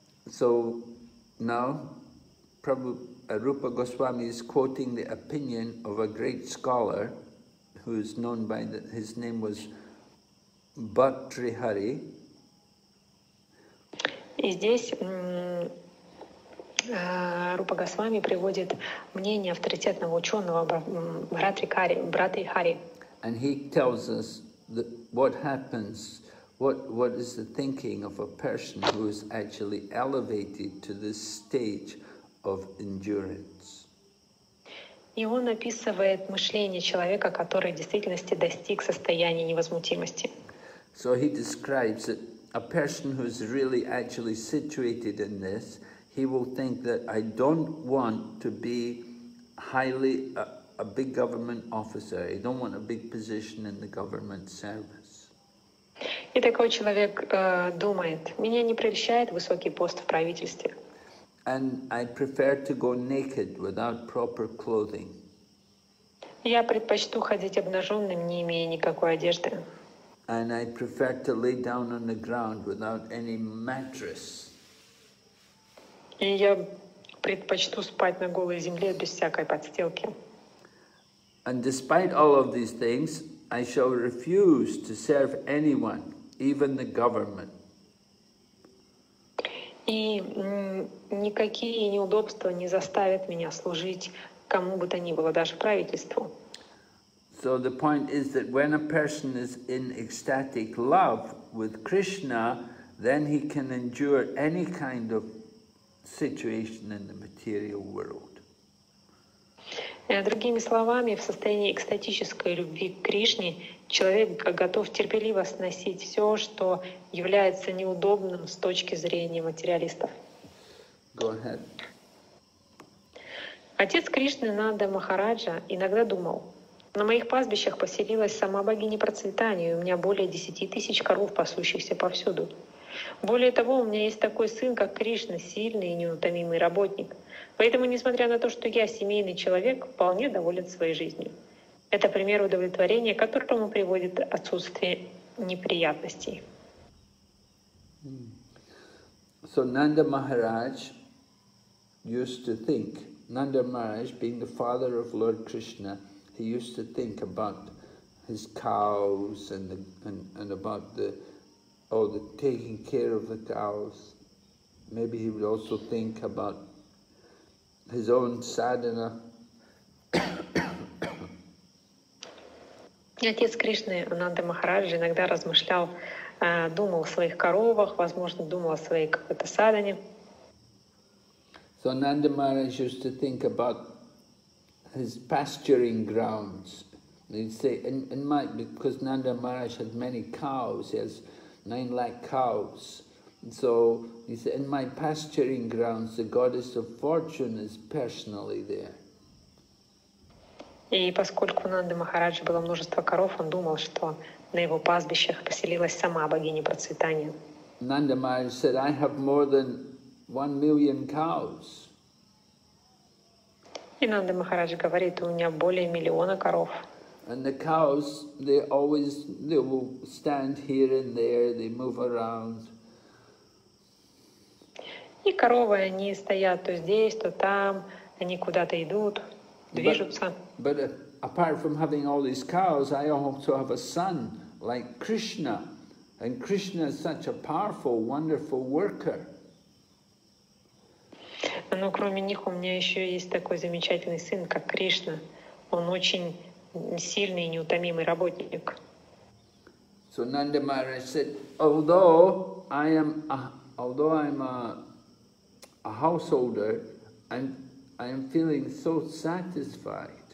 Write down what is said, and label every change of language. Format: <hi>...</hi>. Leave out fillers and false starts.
<en>So, now, probably Rupa Goswami is quoting the opinion of a great scholar who is known by his name was Bhartrihari.</en> <ru>И здесь Рупа Госвами приводит мнение авторитетного ученого Бхартрихари.</ru> <en>And he tells us that what happens, what is the thinking of a person who is actually elevated to this stage of endurance.</en> <ru>И он описывает мышление человека, который в действительности достиг состояния невозмутимости.</ru> <en>So he describes that a person who is really actually situated in this, he will think that I don't want to be highly a big government officer. I don't want a big position in the government service.</en> <ru>И такой человек думает: меня не прельщает высокий пост в правительстве.</ru> <en>And I prefer to go naked without proper clothing.</en> <ru>Я предпочту ходить обнаженным, не имея никакой одежды.</ru> <en>And I prefer to lay down on the ground without any mattress.</en> <ru>И я предпочту спать на голой земле без всякой подстилки.</ru> <en>And despite all of these things, I shall refuse to serve anyone, even the government.</en> <ru>И никакие неудобства не заставят меня служить кому бы то ни было, даже правительству.</ru> <en>So the point is that when a person is in ecstatic love with Krishna, then he can endure any kind of situation in the material world.</en> <ru>Другими словами, в состоянии экстатической любви к Кришне человек готов терпеливо сносить все, что является неудобным с точки зрения материалистов.</ru> <en>Go ahead.</en> <ru>Отец Кришны Нанда Махараджа иногда думал: на моих пастбищах поселилась сама богиня процветания, и у меня более 10 000 коров, пасущихся повсюду. Более того, у меня есть такой сын, как Кришна, сильный и неутомимый работник. Поэтому, несмотря на то, что я семейный человек, вполне доволен своей жизнью. Это пример удовлетворения, к которому приводит отсутствие неприятностей.</ru> <en>So Nanda Maharaj used to think, Nanda Maharaj being the father of Lord Krishna, he used to think about his cows and about the oh, the taking care of the cows. Maybe he would also think about his own sadhana.</en> <ru>Отец Кришны, Ананда Махарадж, иногда размышлял, думал о своих коровах, возможно, думал о своей какой-то садане.</ru> <en>So Ananda Maharaj used to think about his pasturing grounds. He'd say, and might be because Ananda Maharaj has many cows, he has 9 lakh cows. And so he said, in my pasturing grounds, the goddess of fortune is personally there.</en> <ru>И поскольку у Нанды Махараджи было множество коров, он думал, что на его пастбищах поселилась сама богиня процветания.</ru> <en>Нанда Махарадж said, I have more than 1 million cows.</en> <ru>И Нанда Махараджи говорит, у меня более 1 миллиона коров.</ru> <en>And the cows, they always, they will stand here and there, they move around.</en> <ru>И коровы, они стоят то здесь, то там, они куда-то идут.</ru> <en>But apart from having all these cows, I also have a son like Krishna, and Krishna is such a powerful, wonderful worker.</en> <ru>Но кроме них у меня еще есть такой замечательный сын, как Кришна. Он очень сильный и неутомимый работник.</ru> <en>So Ananda Maharaj said, although I am a householder, and I am feeling so satisfied.</en>